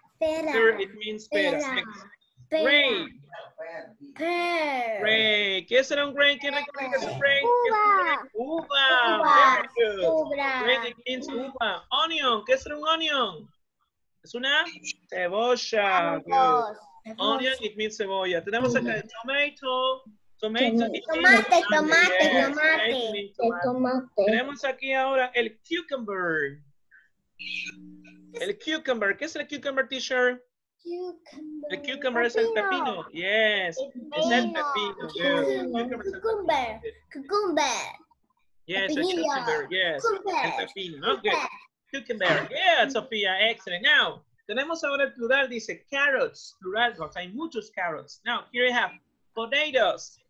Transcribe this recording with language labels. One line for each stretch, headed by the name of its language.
English: Pear, it means
Spanish: pera.
English: Grape. pear. Great.
Spanish: ¿Qué será un grape? ¿Quién recuerda que es un grape? Uva. Uva. Uva.
English: Onion.
Spanish: ¿Qué será un onion? Es una cebolla.
English: Onion, it means cebolla.
Spanish: Tenemos acá el tomato. Tomate. Tenemos aquí ahora el cucumber. El cucumber. ¿Qué es el cucumber, teacher?
English: Cucumber.
Spanish: El cucumber es el pepino.
English: Yes.
Spanish: Es el pepino.
English: Cucumber. Cucumber. Yes,
Spanish: el cucumber. Yes. El pepino.
English: Okay. Cucumber. Yeah, Sofía. Excellent. Now,
Spanish: tenemos ahora el plural. Dice
English: carrots.
Spanish: Plural. Hay muchos carrots.
English: Now, here we have potatoes.